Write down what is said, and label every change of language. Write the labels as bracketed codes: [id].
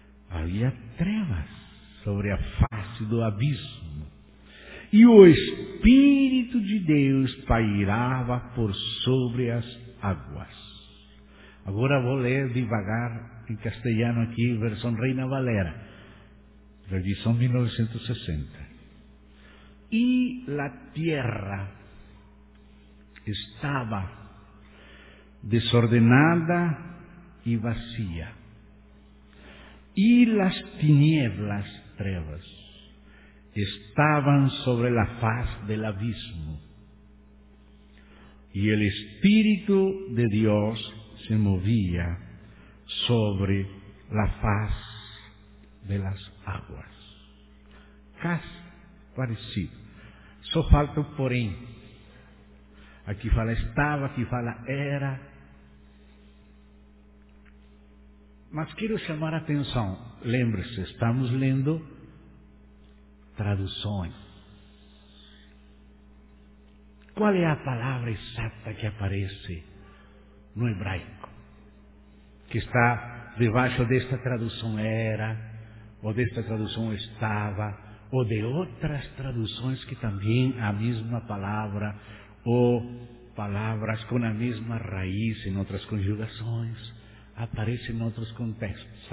[pt] Havia trevas sobre a face do abismo. E o Espírito de Deus pairava por sobre as águas. Agora vou ler devagar em castelhano aqui, versão Reina Valera, versão 1960. [es] E la tierra estaba desordenada y vacía. Y las tinieblas, trevas, estaban sobre la faz del abismo, y el Espíritu de Dios se movía sobre la faz de las aguas. Casi parecido. [pt] Só falta un porém. Aquí fala estaba, aquí fala era. [es] Mas quiero chamar a atención. [pt] Lembre-se, estamos lendo traduções. Qual é a palavra exata que aparece no hebraico? Que está debaixo desta tradução era, ou desta tradução estava, ou de outras traduções que também a mesma palavra, ou palavras com a mesma raiz em outras conjugações, aparece em outros contextos.